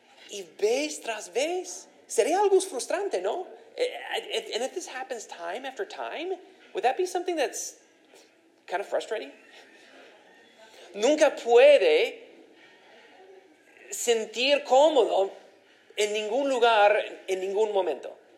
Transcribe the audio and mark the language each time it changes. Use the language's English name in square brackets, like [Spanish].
[Spanish] Y vez tras vez, sería algo frustrante, ¿no? [English] And if this happens time after time, would that be something that's kind of frustrating? [Spanish] Nunca puede sentir cómodo en ningún lugar, en ningún momento.